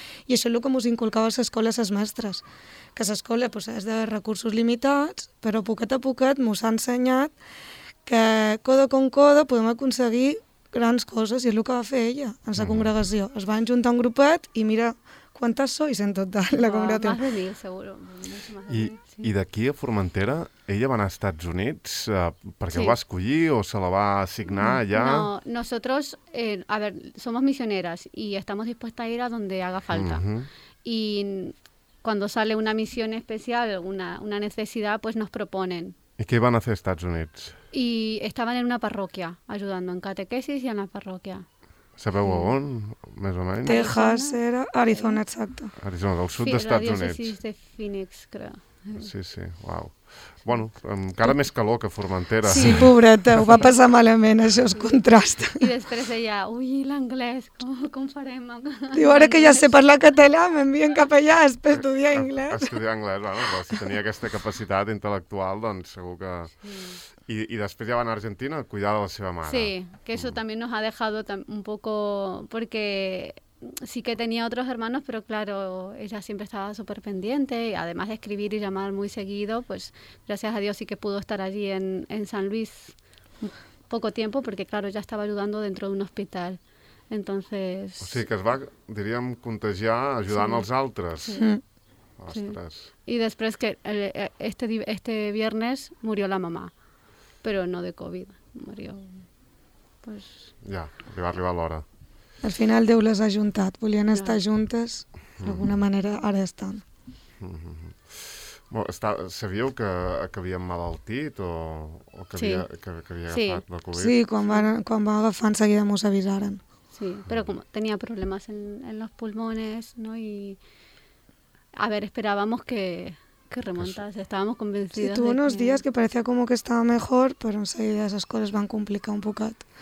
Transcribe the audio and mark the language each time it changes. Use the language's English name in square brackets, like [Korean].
[Spanish] Y eso es lo que hemos inculcado a esa escuela, a esas maestras. Que a esa escuela pues, es de recursos limitados, pero a poquet nos ha enseñado que codo con codo podemos conseguir grandes cosas y es lo que va a hacer ella en la congregación. Se van a juntar un grupet y mira cuántas sois en total la congregación. Más de 10, seguro. [Catalan] I d'aquí a Formentera, ella va anar a Estats Units perquè ho va escollir o se la va assignar allà? [Spanish] No, nosotros, a ver, somos misioneras y estamos dispuestas a ir a donde haga falta. Uh-huh. Y cuando sale una misión especial, una necesidad, pues nos proponen. ¿Y qué van a hacer a Estats Units? Y estaban en una parroquia, ayudando en catequesis y en la parroquia. [Catalan] ¿Sabeu on, més o menys? [Spanish] Texas, era Arizona, exacto. [Catalan] Arizona, del sud d'Estats Units. [Spanish] La diócesis de Phoenix, creo. Sí, sí, uau. [Catalan] Bueno, encara més calor que Formentera. Sí, pobreta, ho va passar malament, això es contrasta. I després ella, ui, l'anglès, com farem? Diu, ara que ja sé parlar català, m'envien cap allà per estudiar anglès. Estudiar anglès, bueno, però si tenia aquesta capacitat intel·lectual, doncs segur que... Sí. I després ja va anar a Argentina a cuidar de la seva mare. [Spanish] Sí, [Catalan] que això també [Spanish] nos ha dejado un poco... Porque... Sí que tenía otros hermanos, pero claro, ella siempre estaba súper pendiente y además de escribir y llamar muy seguido, pues gracias a Dios sí que pudo estar allí en San Luis poco tiempo porque claro, ya estaba ayudando dentro de un hospital. Entonces... [Catalan] O sigui que es va, diríem, contagiar ajudant sí. els altres. Sí. Ostres. Sí. [Spanish] Y después que este viernes murió la mamá, pero no de COVID, murió... Pues... [Catalan] Ja, li va arribar l'hora. Al final Déu les ha ajuntat, volien estar juntes, d'alguna manera ara estan. Bueno, sabíeu que havien malaltit o que, havia, que havia agafat la Covid? Sí, quan va agafar en seguida mos avisaren. Sí, però com tenia problemes en [Spanish] los pulmones, [Catalan] no? [Spanish] I, a ver, esperábamos que remontase, estábamos convencidos. Sí, tuvo unos días que parecía como que estaba mejor, [Catalan] però en seguida esas coses van complicar un pocat.